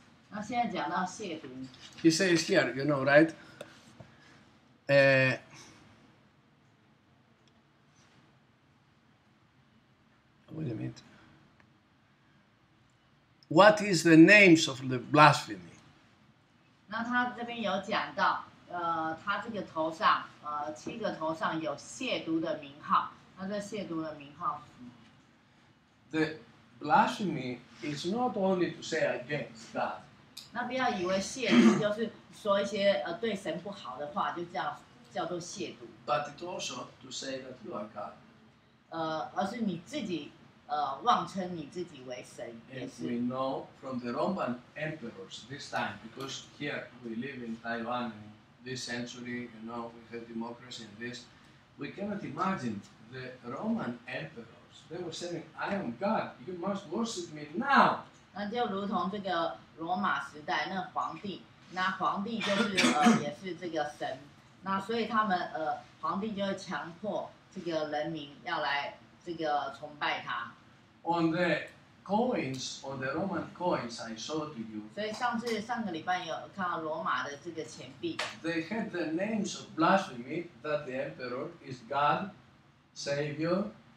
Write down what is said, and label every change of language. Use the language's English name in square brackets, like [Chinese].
[Chinese] 那现在讲到亵渎。 [English] He says here, you know, right? Wait a minute. What is the names of the blasphemy? [Chinese] 那他这边有讲到，他这个头上，七个头上有亵渎的名号。那这亵渎的名号是什么？ [English] The blasphemy is not only to say against God. [Chinese] 那不要以为亵渎就是说一些对神不好的话，就叫做亵渎。 [English] But it also to say that you are God. [Chinese] 而是你自己妄称你自己为神。 [English] And we know from the Roman emperors this time, because here we live in Taiwan in this century, you know, we have democracy in this, we cannot imagine the Roman emperor. They were saying, "I am God. You must worship me now." [Chinese] 那就如同这个罗马时代那皇帝，那皇帝就是也是这个神。那所以他们皇帝就会强迫这个人民要来这个崇拜他。 [English] On the coins, on the Roman coins I showed to you. [Chinese] 所以上个礼拜有看到罗马的这个钱币。 [English] They had the names of blasphemy that the emperor is God, Savior.